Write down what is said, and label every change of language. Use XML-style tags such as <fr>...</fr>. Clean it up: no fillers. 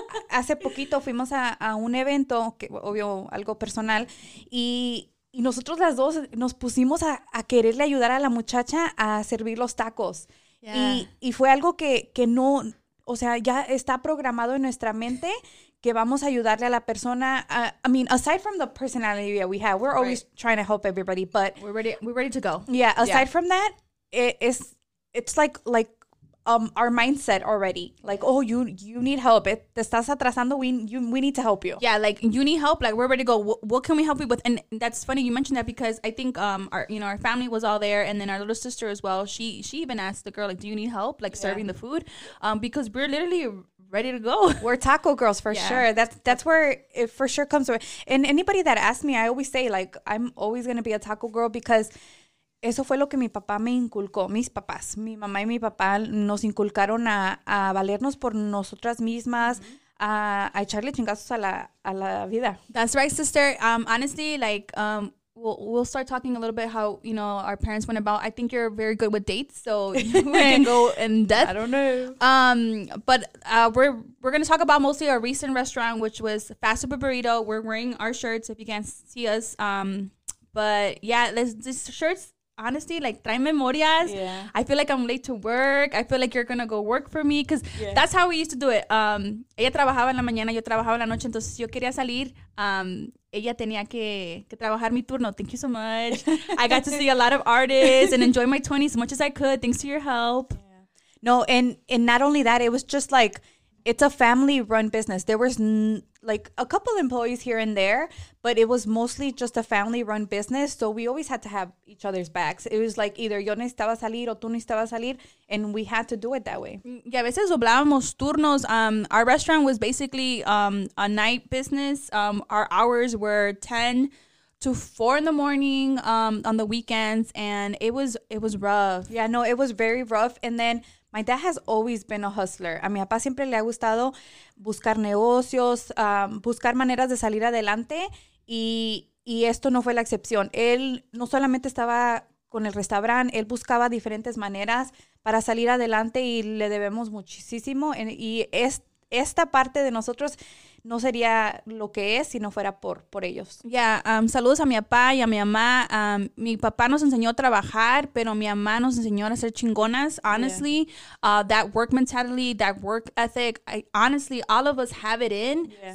<es>hace poquito fuimos a un evento, que obvio, algo personal, y nosotros las dos nos pusimos a quererle ayudar a la muchacha a servir los tacos.</es> <en>Yeah.</en> <es>Y fue algo que no, o sea, ya está programado en nuestra mente que vamos a ayudarle a la persona.</es> <en>I mean, aside from the personality that we have, we're always trying to help everybody, but... We're ready to go. Yeah, aside from that, it's like our mindset already. Like, oh, you need help.</en> <es>Te estás atrasando,</es> <en>we need to help you. Yeah, like, you need help, like, we're ready to go. What can we help you with? And that's funny you mentioned that because I think our family was all there, and then our little sister as well. She even asked the girl, like, do you need help, like, serving the food? Because we're literally... ready to go. We're taco girls for sure. That's where it for sure comes from. And anybody that asks me, I always say, like, I'm always going to be a taco girl because</en> <es>eso fue lo que mi papá me inculcó, mis papás. Mi mamá y mi papá nos inculcaron a valernos por nosotras mismas, a echarle chingazos a la vida.</es> <en>That's right, sister. Honestly, like, we'll start talking a little bit how, you know, our parents went about. I think you're very good with dates, so we can go in depth. I don't know. We're going to talk about mostly our recent restaurant, which was Fast Super Burrito. We're wearing our shirts if you can't see us. But yeah, these shirts, honestly, like,</en> <es>traen memorias.</es> <en>Yeah. I feel like I'm late to work. I feel like you're going to go work for me because that's how we used to do it.</en> <es>Ella trabajaba en la mañana, yo trabajaba en la noche, entonces yo quería salir. Ella tenía que trabajar mi turno.</es> <en>Thank you so much. I got to see a lot of artists and enjoy my 20s as much as I could. Thanks to your help. Yeah. No, and not only that, it was just like, it's a family-run business. There was like a couple employees here and there, but it was mostly just a family-run business. So we always had to have each other's backs. It was like either</en> <es>yo necesitaba salir o tú necesitabas salir,</es> <en>and we had to do it that way.</en> <es>Yeah, a veces doblábamos turnos.</es> <en>Our restaurant was basically a night business. Our hours were 10 to 4 a.m. on the weekends, and it was rough. Yeah, no, it was very rough. And then my dad has always been a hustler.</en> <es>A mi papá siempre le ha gustado buscar negocios, buscar maneras de salir adelante, y esto no fue la excepción. Él no solamente estaba con el restaurante, él buscaba diferentes maneras para salir adelante, y le debemos muchísimo. Y esta parte de nosotros no sería lo que es si no fuera por ellos. Yeah, saludos a mi papá y a mi mamá. Mi papá nos enseñó a trabajar, pero mi mamá nos enseñó a ser chingonas.</es> <en>Honestly, yeah. That work mentality, that work ethic, honestly, all of us have it in, yeah.</en>